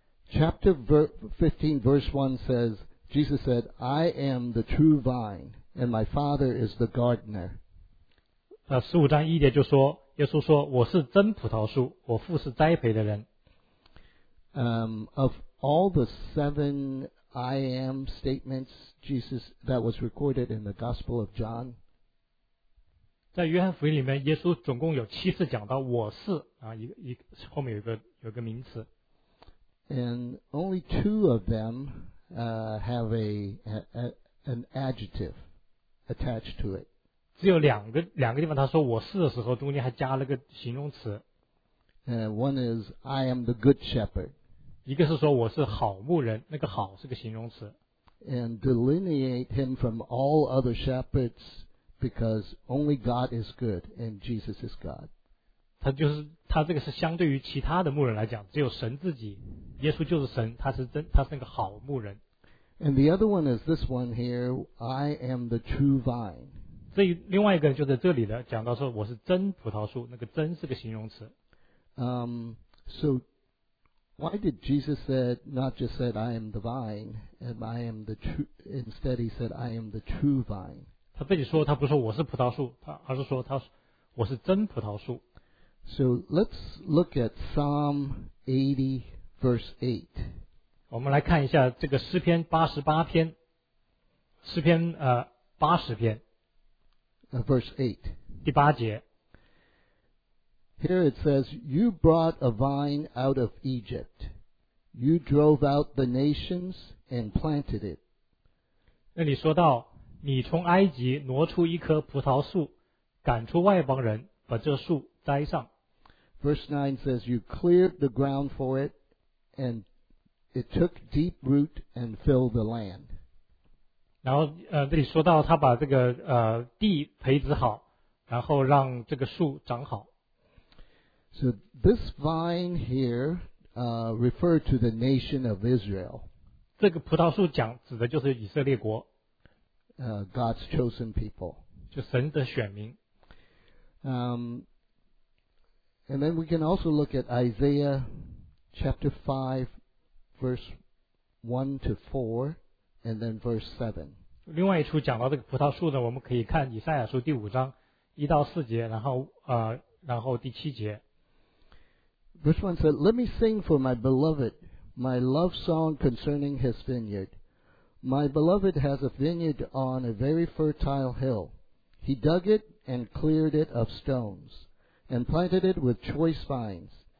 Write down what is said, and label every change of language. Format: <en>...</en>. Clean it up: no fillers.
<en>Chapter 15 verse 1 says, Jesus said, I am the true vine, and my Father is the gardener.</en> <zh>15章1节就说，耶稣说，我是真葡萄树，我父是栽培的人。</zh> <en>Of all the seven I am statements Jesus that was recorded in the Gospel of John,</en> <zh>在约翰福音里面，耶稣总共有七次讲到我是啊，一后面有个名词。</zh> <en>And only two of them have an adjective attached to it.</en> <zh>只有两个地方他说我是的时候中间还加了个形容词。</zh> <en>One is I am the good shepherd.</en> <zh>一个是说我是好牧人，那个好是个形容词。</zh> <en>And delineate him from all other shepherds because only God is good and Jesus is God.</en> <zh>他这个是相对于其他的牧人来讲，只有神自己，耶稣就是神，他是那个好牧人。</zh> <en>And the other one is this one here, I am the true vine.</en> <zh>所以另外一个就在这里的讲到说我是真葡萄树，那个真是个形容词。</zh> <en>So why did Jesus said not just said I am the vine and I am the true, instead he said I am the true vine.</en> <zh>他自己说他不说我是葡萄树，而是说他我是真葡萄树。</zh> <en>So let's look at Psalm 80 verse 8.</en> <zh>我们来看一下这个诗篇88篇，诗篇80篇。</zh> <en>Verse 8.</en> <zh>第八节。</zh> <en>Here it says, You brought a vine out of Egypt. You drove out the nations and planted it.</en> <zh>那里说到，你从埃及挪出一棵葡萄树，赶出外邦人，把这树栽上。</zh> <en>Verse 9 says, You cleared the ground for it, and it took deep root and filled the land.</en> <zh>然后这里说到他把这个地培植好，然后让这个树长好。</zh> <en>So this vine here referred to the nation of Israel.</en> <zh>这个葡萄树讲指的就是以色列国。</zh> <en>God's chosen people.</en> <zh>就神的选民。</zh> <en>And then we can also look at Isaiah chapter 5 verse 1 to 4 and then verse 7.</en> <zh>另外一处讲到这个葡萄树呢，我们可以看以赛亚书第五章一到四节，然后第七节。</zh> <en>Verse 1 said, Let me sing for my beloved, my love song concerning his vineyard. My beloved has a vineyard on a very fertile hill. He dug it and cleared it of stones, and planted it with choice vines.</en>